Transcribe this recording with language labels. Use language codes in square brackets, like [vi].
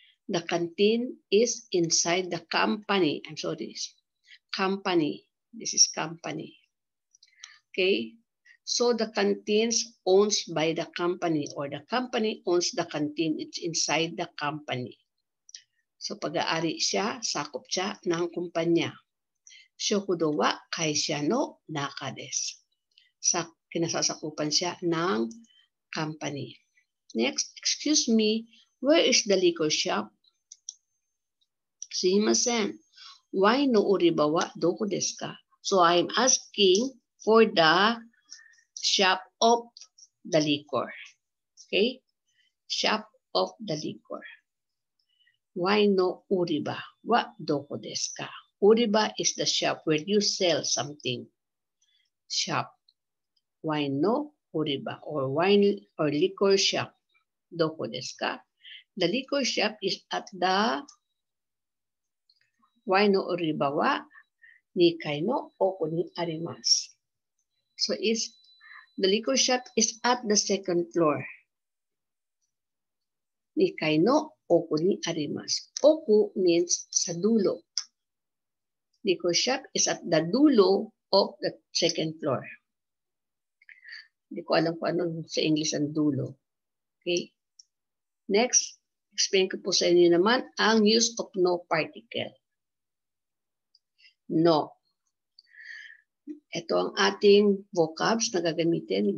[en] The canteen is inside the company. I'm sorry. Company. This is company. Okay. So the canteen's owns by the company, or the company owns the canteen. It's inside the company. [tl] So pag-aari siya, sakop siya ng kumpanya. [ja] Shokudo wa kaisha no naka desu. [tl] Sa kinasasakupan siya ng company. [en] Next, excuse me, where is the liquor shop? Sumimasen. [ja] Wine no uriba wa doko desu ka? [en] So I'm asking for the shop of the liquor. Okay? Shop of the liquor. [ja] Wine no uriba wa doko desu ka? [en] Uriba is the shop where you sell something. Shop. [ja] Wine no uriba, [en] or wine or liquor shop. [ja] Doko desu ka? [en] The liquor shop is at the [ja] wine no uriba wa nikai no oku ni arimasu. [en] So it's the liquor shop is at the second floor. [ja] Nikai no oku ni arimasu. Oku means [tl] sa dulo. [en] Liquor shop is at the dulo of the second floor. [tl] Hindi ko alam kung ano sa English ang dulo. Okay. Next, explain ko po sa inyo naman ang [en] use of no particle. [tl] No. Ito ang ating vocabs na gagamitin.